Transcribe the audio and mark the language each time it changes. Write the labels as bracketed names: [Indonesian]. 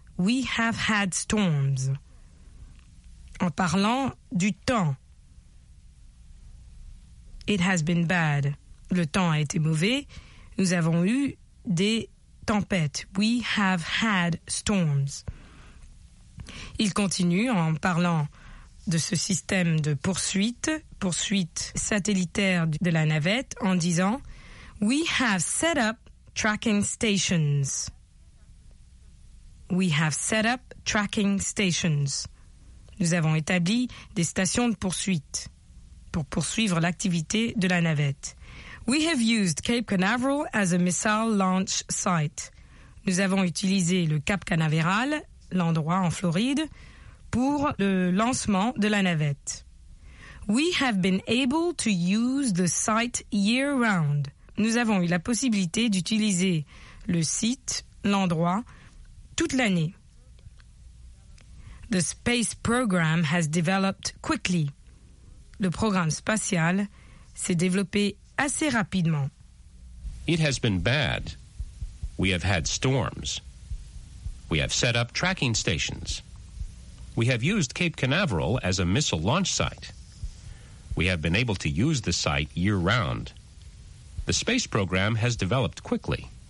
[English] We have had storms. » [French] En parlant du temps. « [English] It has been bad. [French] » Le temps a été mauvais. Nous avons eu des tempêtes. « [English] We have had storms. [French] » Il continue en parlant de ce système de poursuite, poursuite satellitaire de la navette, en disant « [English] We have set up tracking stations. We have set up tracking stations. [French] Nous avons établi des stations de poursuite pour poursuivre l'activité de la navette. [English] We have used Cape Canaveral as a missile launch site. [French] Nous avons utilisé le Cap Canaveral, l'endroit en Floride, pour le lancement de la navette. [English] We have been able to use the site year round. [French] Nous avons eu la possibilité d'utiliser le site, l'endroit, toute l'année. [English] The space program has developed quickly. [French] Le programme spatial s'est développé assez rapidement. [English] It has been bad. We have had storms. We have set up tracking stations. We have used Cape Canaveral as a missile launch site. We have been able to use the site year-round. The space program has developed quickly.